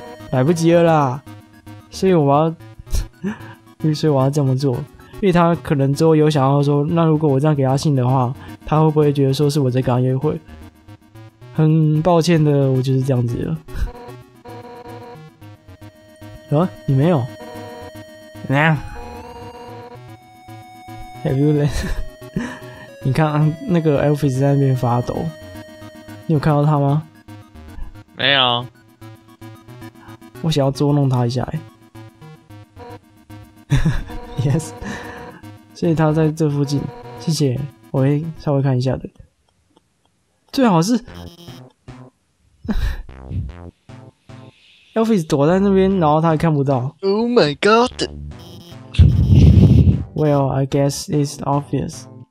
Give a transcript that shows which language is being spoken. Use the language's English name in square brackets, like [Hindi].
[Chinese] 来不及了啦，所以我要这么做，因为他可能之后有想要说，那如果我这样给他信的话，他会不会觉得说是我在跟他约会？很抱歉的，我就是这样子了。啊，你没有？怎么样 [English] ？Have you left？ [Chinese] 你看那个 Elvis 在那边发抖，你有看到他吗？没有。我想要捉弄他一下。 Yes， 所以他在这附近。谢谢，我会稍微看一下的。最好是Elvis 躲在那边，然后他还看不到。 [English] Oh my god！ Well， I guess it's obvious。